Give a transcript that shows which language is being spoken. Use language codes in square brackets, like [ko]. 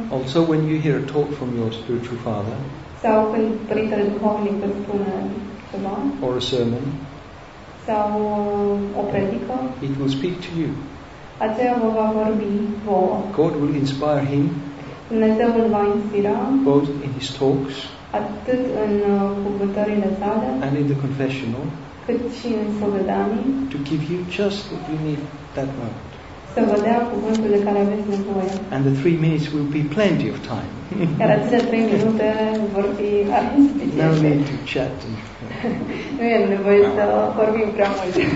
[en] also when you hear a talk from your spiritual father, [ro] sau când părintele duhovnic îți spune ceva, [en] or a sermon, [ro] sau o predică, [en] it will speak to you. [ro] Aceea vă va vorbi vouă. [en] God will inspire him. [ro] Dumnezeu îl va inspira, [en] both in his talks, [ro] atât în cuvântările sale, [en] and in the confessional, [ro] cât și în spovedanii, [en] to give you just what you need that moment. [ro] Să vă dea cuvântul de care aveți nevoie. [en] And the 3 minutes will be plenty of time. [ro] Iar acele 3 minute vor fi suficiente. [en] No need to chat. And... [ro] nu e nevoie să vorbim prea mult.